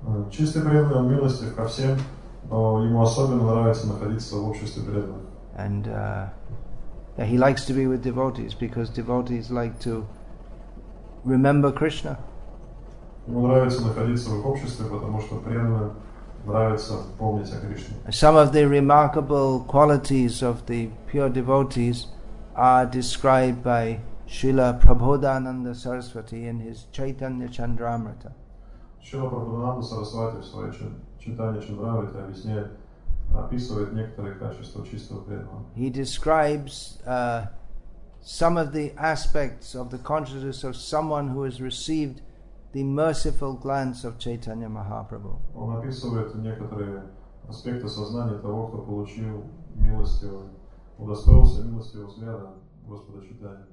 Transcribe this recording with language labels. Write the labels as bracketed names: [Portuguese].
[Russian] Чистый преданный, он милостив ко всем, но ему особенно нравится находиться в обществе преданных. [English] And yeah, he likes to be with devotees because devotees like to remember Krishna. [Russian] Ему нравится находиться в обществе, потому что преданным нравится помнить о Кришне. [English] Some of the remarkable qualities of the pure devotees are described by Srila Prabodhananda Saraswati in his Chaitanya Chandramrita. [Russian] Srila Prabodhananda Saraswati в своей Chaitanya Chandramrita объясняет, описывает некоторые качества чистого преданного. [English] He describes some of the aspects of the consciousness of someone who has received the merciful glance of Chaitanya Mahaprabhu. [Russian] Он описывает некоторые аспекты сознания того, кто получил милостивый, удостоился милостивого взгляда Господа Чайтанья.